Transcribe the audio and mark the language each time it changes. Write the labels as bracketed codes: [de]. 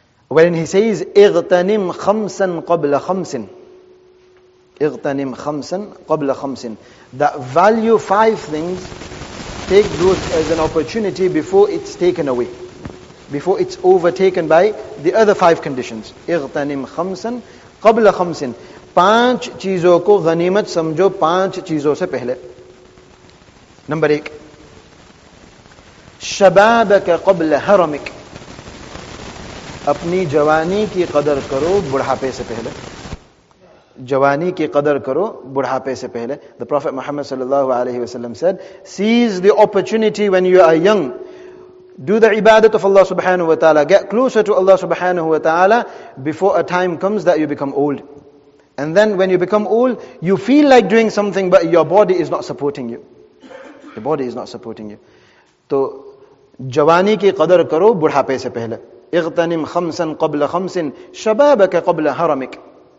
[en] When he says, [ar] اغتنم خمسا قبل خمس. اغتنم خمسا قبل خمس. [en] That value five things, take those as an opportunity before it's taken away, before it's overtaken by the other five conditions. [ar] اغتنم خمسا قبل خمس. [ur] پانچ چیزوں کو غنیمت سمجھو پانچ چیزوں سے پہلے. [en] Number 1. [ar] شبابك قبل حرمك. [ur] اپنی جوانی کی قدر کرو بڑھاپے سے پہلے. جوانی کی قدر کرو بڑھاپے سے پہلے. [en] The Prophet Muhammad sallallahu alayhi wa sallam said, seize the opportunity when you are young. Do the ibadat of Allah subhanahu wa ta'ala. Get closer to Allah subhanahu wa ta'ala before a time comes that you become old. And then when you become old, you feel like doing something but your body is not supporting you. The body is not supporting you. [ur] تو جوانی کی قدر کرو بڑھاپے سے پہلے. [ar] اغتنم خمسا قبل خمس شبابك قبل حرمك.